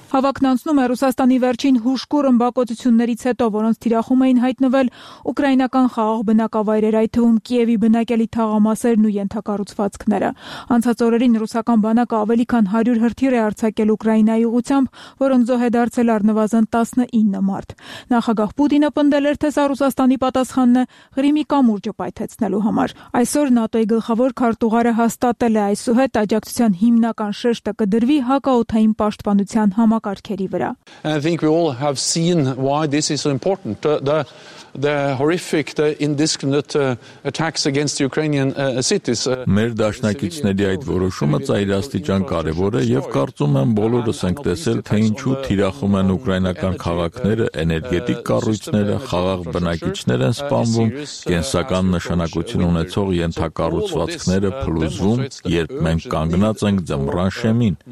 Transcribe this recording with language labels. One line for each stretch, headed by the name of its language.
Armenian: Հավակնանցնում է Ռուսաստանի վերջին հուշկուռ ըմբակոծություններից հետո, որոնց թիրախում էին հայտնվել ուկրաինական խաղաղ բնակավայրեր, այդ թվում Կիևի բնակելի թաղամասերն ու ենթակառուցվածքները։ Անցած օրերին ռուսական բանակը ավելի քան 100 հրթիռ է արձակել Ուկրաինայի ուղությամբ, որոնց զոհ է դարձել առնվազն 19 մարդ։ Նախագահ Պուտինը պնդել էր, թե սա Ռուսաստանի պատասխանն է Ղրիմի կամուրջը պայթեցնելու համար։ Այսօր ՆԱՏՕ-ի գլխավոր քարտուղարը հաստատել է, այսուհետ աջակցության հիմնական շեշտը կդրվի հակաօթային պաշտպանության համակարգերի վրա։
English: I think we all have seen why this is so important. The horrific, the indiscriminate attacks against Ukrainian cities.
Armenian: Մեր դաշնակիցների այդ որոշումը ծայրաստիճան կարևոր է եւ կարծում եմ բոլորս ենք տեսել, թե ինչու թիրախում են ուկրաինական քաղաքները, էներգետիկ կառույցները, խաղաղ բնակիչներ են սպանվում, կենսական նշանակություն ունեցող ենթակառուցվածքները փլուզվում, երբ մենք կանգնած ենք ձմռան շեմին։